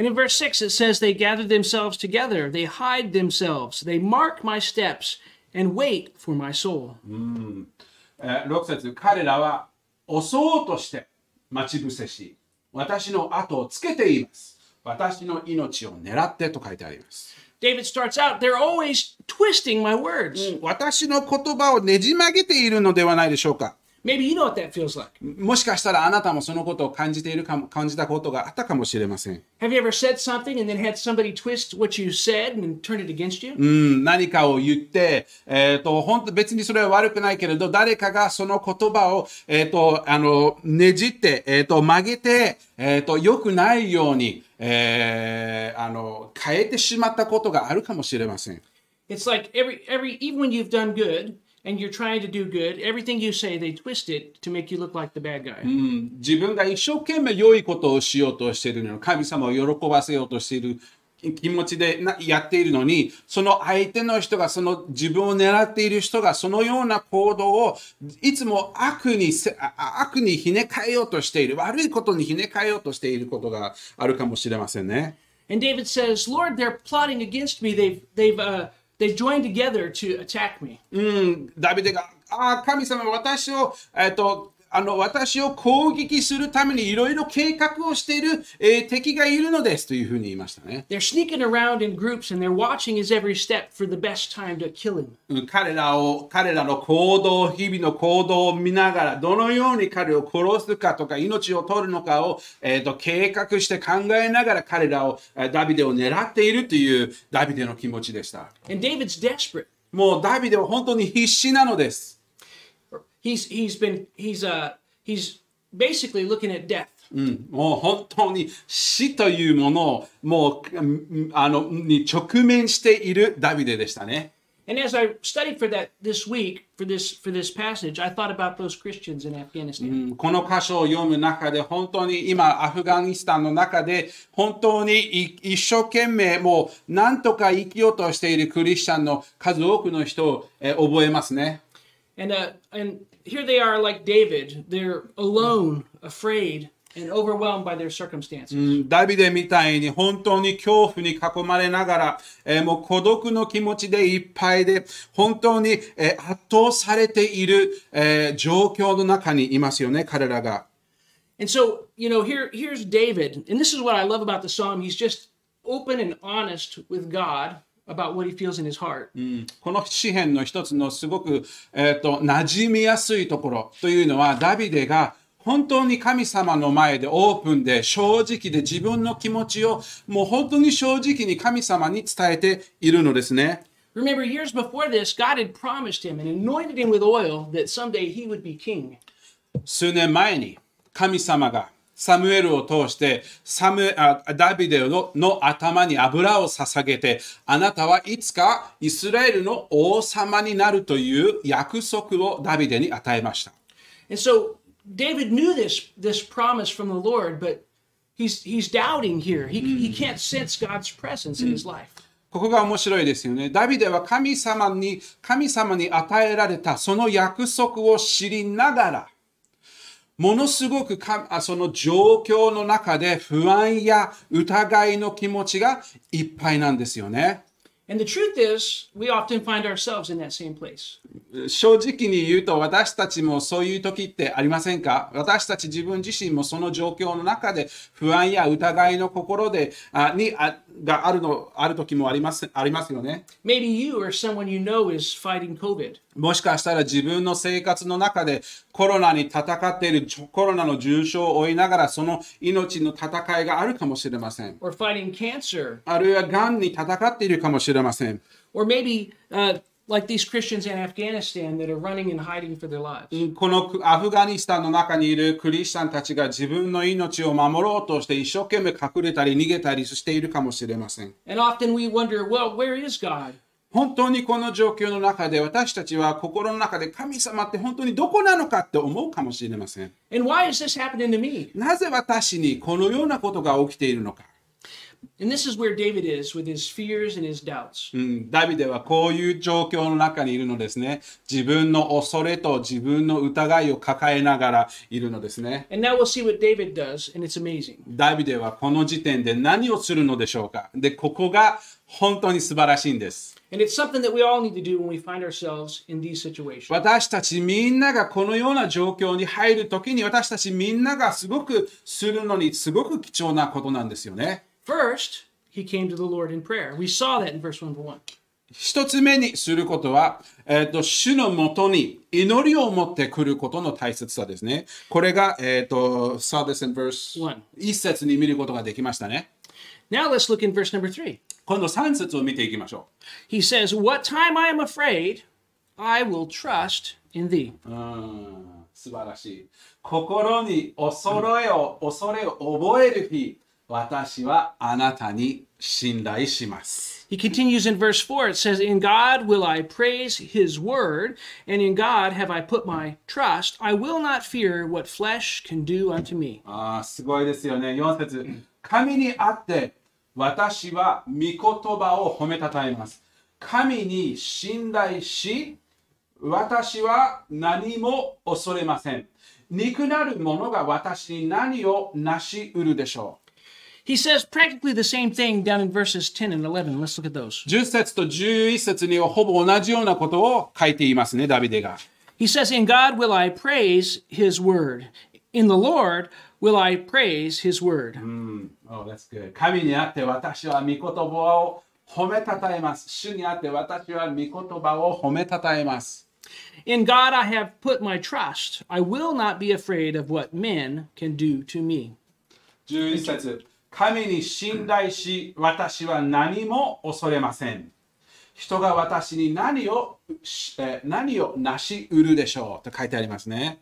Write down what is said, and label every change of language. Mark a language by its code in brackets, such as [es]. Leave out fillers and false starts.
[en] And in verse 6 it says they gather themselves together, they hide themselves, they mark my steps and wait for my soul. [ja] 6節、彼らは押そうとして待ち伏せし、私の後をつけています。私の命を狙ってと書いてあります。 [en] David starts out, they're always twisting my words. [ja] 私の言葉をねじ曲げているのではないでしょうか。 [en] Maybe you know what that feels like. [ja] もしかしたらあなたもそのことを感じているかも、感じたことがあったかもしれません。 [en] Have you ever said something and then had somebody twist what you said and turn it against you? [ja] 何かを言って、本当、別にそれは悪くないけれど、誰かがその言葉を、ねじって、曲げて、良くないように、変えてしまったことがあるかもしれません。 [en] It's like every even when you've done good and you're trying to do good, everything you say they twist it to make you look like the bad guy. [ja] 自分が一生懸命良いことをしようとしているのに、神様を喜ばせようとしている気持ちでやっているのに、その相手の人が、その自分を狙っている人がそのような行動をいつも悪にひね替えようとしている、悪いことにひね替えようとしていることがあるかもしれませんね。 [en] And David says, Lord, they're plotting against me. They've joined together to attack me. [ja] ダビデが、神様、私を攻撃するためにいろいろ計画をしている、敵がいるのですというふうに言いましたね。 [en] They're sneaking around in groups and they're watching his every step for the best time to kill him. [ja] 彼らの行動、日々の行動を見ながら、どのように彼を殺すかとか命を取るのかを、計画して考えながら彼らを、ダビデを狙っているというダビデの気持ちでした。 [en] And David's desperate. [ja] もうダビデは本当に必死なのです。 [en] He's basically looking at death. [ja] もう本当に死というものをもうに直面しているダビデでしたね。 [en] And as I studied for that this week, for this passage, I thought about those Christians in Afghanistan. [ja] この箇所を読む中で本当に今アフガニスタンの中で本当に一生懸命もう何とか生きようとしているクリスチャンの数多くの人を覚えますね。 [en] And here they are like David. They're alone, afraid, and overwhelmed by their circumstances. [ja] ダビデみたいに本当に恐怖に囲まれながら、もう孤独の気持ちでいっぱいで、本当に、圧倒されている、状況の中にいますよね、彼らが。 [en] And so, you know, here's David. And this is what I love about the psalm. He's just open and honest with God. About what he feels in his heart. [ja] この詩編の一つのすごく、馴染みやすいところというのは、ダビデが本当に神様の前でオープンで正直で自分の気持ちをもう本当に正直に神様に伝えているのですね。 [en] Remember, years before this, God had promised him and anointed him with oil that someday he would be king. [ja] 数年前に神様がサムエルを通してダビデの頭に油を捧げて、あなたはいつかイスラエルの王様になるという約束をダビデに与えました。 [en] And so David knew this promise from the Lord, but he's doubting here. He can't sense God's presence in his life. [ja] ここが面白いですよね。ダビデは神様に与えられたその約束を知りながら、ものすごくその状況の中で不安や疑いの気持ちがいっぱいなんですよね。 [en] And the truth is, we often find ourselves in that same place. [ja] 正直に言うと私たちもそういう時ってありませんか？私たち自分自身もその状況の中で不安や疑いの心で、ある時もありますよね。 [en] Maybe you or someone you know is fighting COVID. [ja] もしかしたら自分の生活の中でコロナに戦っている、コロナの重症を負いながらその命の戦いがあるかもしれません。 [en] Or fighting cancer. [ja] あるいはがんに戦っているかもしれません。 [en] Or maybe, like these Christians in Afghanistan that are running and hiding for their lives. [ja] このアフガニスタンの中にいるクリスチャンたちが自分の命を守ろうとして一生懸命隠れたり逃げたりしているかもしれません。 [en] And often we wonder, well, where is God? [ja] 本当にこの状況の中で私たちは心の中で神様って本当にどこなのかって思うかもしれません。 [en] And why is this happening to me? [ja] なぜ私にこのようなことが起きているのか。 [en] And this is where David is with his fears and his doubts. [ja] ダビデはこういう状況の中にいるのですね。自分の恐れと自分の疑いを抱えながらいるのですね。 [en] And now we'll see what David does, and it's amazing. [ja] ダビデはこの時点で何をするのでしょうか。で、ここが本当に素晴らしいんです。 [en] And it's something that we all need to do when we find ourselves in these situations. [ja] 私たちみんながこのような状況に入るときに、私たちみんながすごくするのにすごく貴重なことなんですよね。 [en] First, he came to the Lord in prayer. We saw that in verse 1-1. [ja] 一つ目にすることは、主のもとに祈りを持ってくることの大切さですね。これが、 [en] saw this in verse [ja] 1節に見ることができましたね。 [en] Now let's look in verse number 3. [ja] 今度3節を見ていきましょう。 [en] He says, What time I am afraid, I will trust in thee. [ja] 素晴らしい。心に恐れを覚える日。私はあなたに信頼します。 [en] He continues in verse 4. It says, In God will I praise his word, and in God have I put my trust. I will not fear what flesh can do unto me. [ja] すごいですよね。4節。神にあって私は御言葉を褒めたたえます。神に信頼し、私は何も恐れません。肉なる者が私に何を成し得るでしょう。 [en] He says practically the same thing down in verses 10 and 11. Let's look at those. [ja] 10節と11節にはほぼ同じようなことを書いていますね、ダビデが。 [en] He says, In God will I praise his word. In the Lord will I praise his word. Oh, that's good. [ja] 神にあって私は御言葉を褒めたたえます。主にあって私は御言葉を褒めたたえます。 [en] In God I have put my trust. I will not be afraid of what men can do to me. [ja] 11節。神に信頼し、私は何も恐れません。人が私に何を成し得るでしょうと書いてありますね。